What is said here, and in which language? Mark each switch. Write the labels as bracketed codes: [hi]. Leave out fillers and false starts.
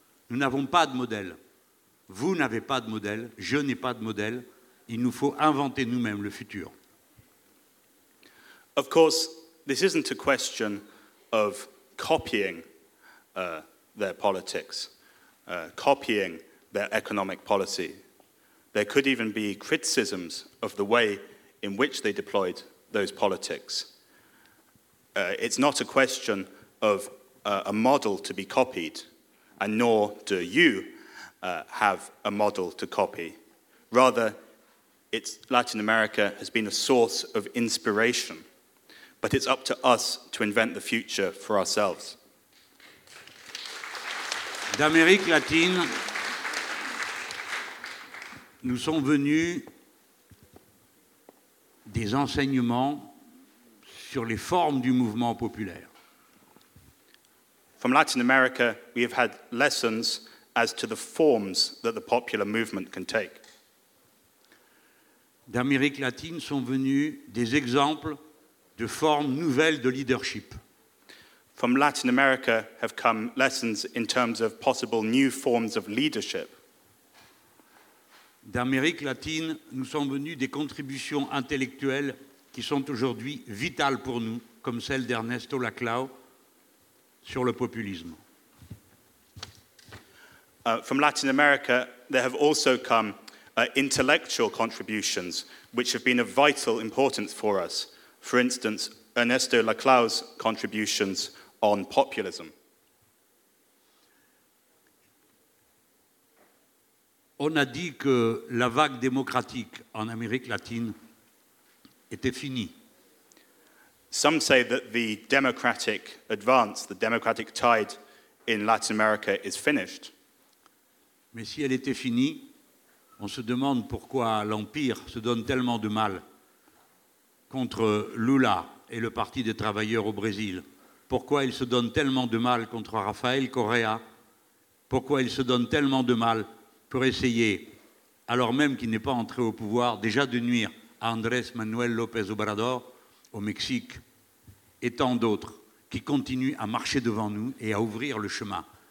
[fr] Nous n'avons pas de modèle. Vous n'avez pas de modèle. Je n'ai pas de modèle. Il nous faut inventer nous-mêmes le futur. [en] Of course, this isn't a question of copying their politics, copying their economic policy. There could even be criticisms of the way in which they deployed those politics. It's not a question of a model to be copied. And nor do you have a model to copy. Rather, it's Latin America has been a source of inspiration, but it's up to us to invent the future for ourselves. [fr] D'Amérique latine, nous sont venus des enseignements sur les formes du mouvement populaire. [en] From Latin America, we have had lessons as to the forms that the popular movement can take. [fr] D'Amérique latine sont venus des exemples de formes nouvelles de leadership. [en] From Latin America have come lessons in terms of possible new forms of leadership. [fr] D'Amérique latine nous sont venus des contributions intellectuelles qui sont aujourd'hui vitales pour nous, comme celle d'Ernesto Laclau. Sur le populisme. [en] From Latin America, there have also come intellectual contributions which have been of vital importance for us. For instance, Ernesto Laclau's contributions on populism. [fr] On a dit que la vague démocratique en Amérique latine était finie. [en] Some say that the democratic advance, the democratic tide in Latin America is finished. [fr] Mais si elle était finie, on se demande pourquoi l'Empire se donne tellement de mal contre Lula et le Parti des travailleurs au Brésil. Pourquoi il se donne tellement de mal contre Rafael Correa? Pourquoi il se donne tellement de mal pour essayer, alors même qu'il n'est pas entré au pouvoir, déjà de nuire à Andrés Manuel López Obrador au Mexique et tant d'autres qui continuent à marcher devant nous et à ouvrir le chemin